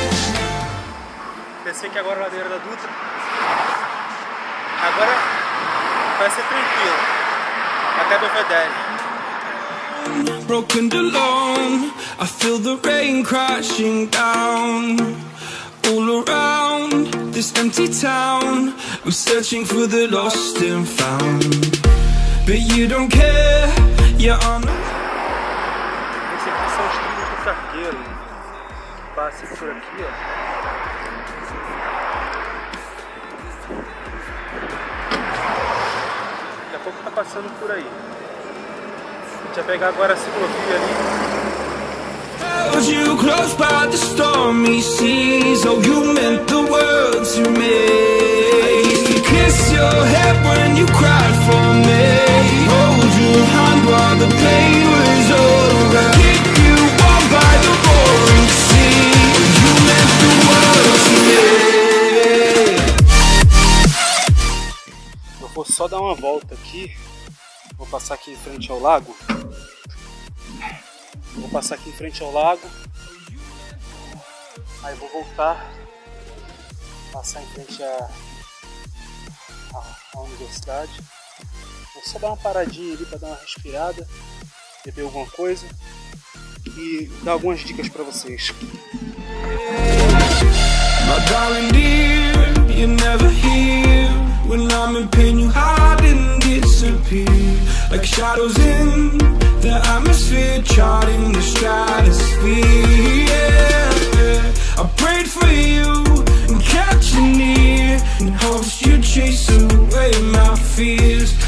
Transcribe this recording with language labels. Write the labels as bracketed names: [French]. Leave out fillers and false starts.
[Portuguese] beira da Dutra. Agora vai ser tranquilo. Até Belvedere. [English] Broken alone, I feel the rain crashing down. All around this empty town, I'm searching for the lost and found. But you don't care, you're on. [Portuguese] Esse aqui são os trilhos do Cargueiro. Passe por aqui, ó. Daqui a pouco tá passando por aí. Deixa eu pegar agora a ciclovia ali. [English] Held you close by the stormy seas. Oh, you meant the world to me. I used to kiss your head when you cried for me. Hold your hand while the pain was over. Keep you warm by the roaring sea. You meant the world to me. [Portuguese] Eu vou só dar uma volta aqui. Vou passar aqui em frente ao lago. Vou passar aqui em frente ao lago. Aí vou voltar. Passar em frente à universidade. Vou só dar uma paradinha ali para dar uma respirada, beber alguma coisa e dar algumas dicas para vocês. [English] My darling dear, you never hear. When I'm in pain, you hide and disappear. Like shadows in the atmosphere, charting the stratosphere. Yeah. I prayed for you and kept you near, in hopes you'd chase away my fears.